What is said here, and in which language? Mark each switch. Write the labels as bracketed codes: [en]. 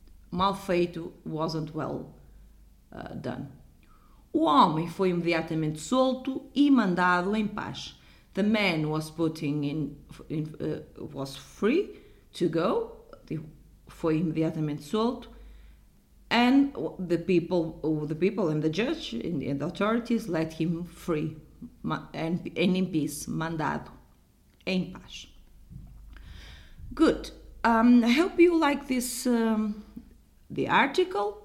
[pt] Mal feito [en] wasn't well done. [pt] O homem foi imediatamente solto e mandado em paz. [en] The man was putting in was free to go. [pt] Foi imediatamente solto. [en] And the people and the judge and the authorities let him free and in peace. [pt] Mandado em paz. Good. [en] I hope you like this, the article.